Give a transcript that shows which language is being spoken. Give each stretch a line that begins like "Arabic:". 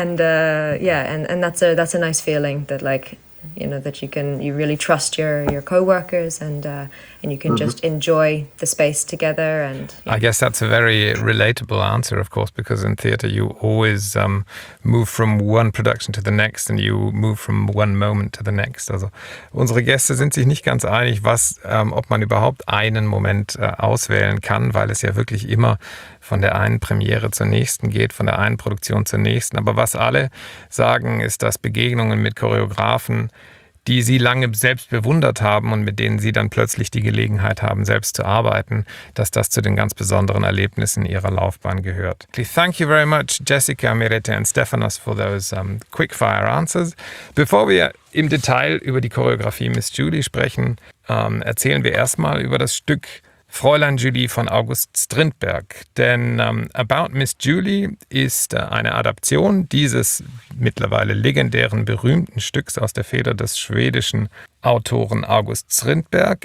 English: and that's a nice feeling that, like, you know, that you really trust your co-workers and you can just enjoy the space together. And yeah. I guess that's a very relatable answer, of course, because in theater you always move from one production to the next and you move from one moment to the next.
German: Also unsere Gäste sind sich nicht ganz einig, was ob man überhaupt einen Moment auswählen kann, weil es ja wirklich immer von der einen Premiere zur nächsten geht, von der einen Produktion zur nächsten. Aber was alle sagen, ist, dass Begegnungen mit Choreografen, die sie lange selbst bewundert haben und mit denen sie dann plötzlich die Gelegenheit haben, selbst zu arbeiten, dass das zu den ganz besonderen Erlebnissen ihrer Laufbahn gehört.
English: Thank you very much, Jessica, Merete and Stefanos, for those quickfire answers.
German: Bevor wir im Detail über die Choreografie Miss Julie sprechen, erzählen wir erstmal über das Stück Fräulein Julie von August Strindberg. Denn About Miss Julie ist eine Adaption dieses mittlerweile legendären, berühmten Stücks aus der Feder des schwedischen Autoren August Strindberg.